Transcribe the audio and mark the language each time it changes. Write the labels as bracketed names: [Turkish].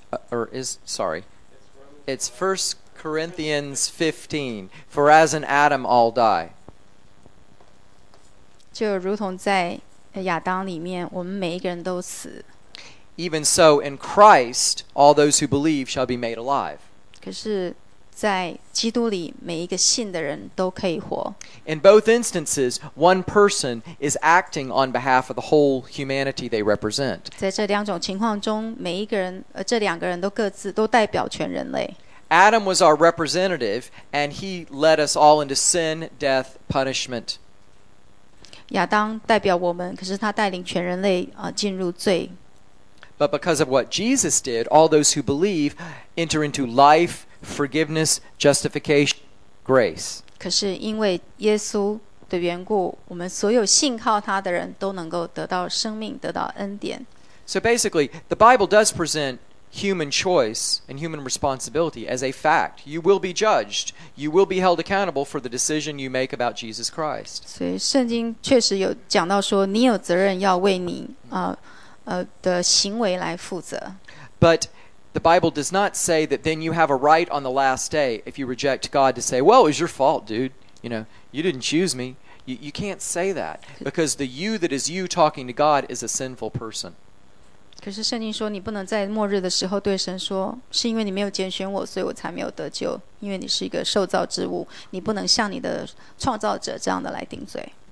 [English] It's 1 Corinthians 15, for as in Adam, all die. [Chinese] 就如同在亚当里面，我们每一个人都死。 [English] Even so, in Christ, all those who believe shall be made alive. [Chinese] 可是在基督里，每一个信的人都可以活。 [English] In both instances, one person is acting on behalf of the whole humanity they represent. [Chinese] 在这两种情况中，每一个人，这两个人都各自都代表全人类。 [English] Adam was our representative, and he led us all into sin, death, punishment. [Chinese] 亚当代表我们，可是他带领全人类进入罪。 [English] But because of what Jesus did, all those who believe enter into life, forgiveness, justification, grace. [Chinese] 可是因为耶稣的缘故，我们所有信靠他的人都能够得到生命，得到恩典。 [English] So basically, the Bible does present human choice and human responsibility as a fact. You will be judged. You will be held accountable for the decision you make about Jesus Christ. [Chinese] 所以圣经确实有讲到说，你有责任要为你的行为来负责。 [English] But the Bible does not say that then you have a right on the last day if you reject God to say, well, it was your fault, dude. You know, you didn't choose me. You can't say that because the you that is you talking to God is a sinful person. [Chinese] 可是圣经说你不能在末日的时候对神说是因为你没有拣选我所以我才没有得救因为你是一个受造之物你不能向你的创造者这样的来定罪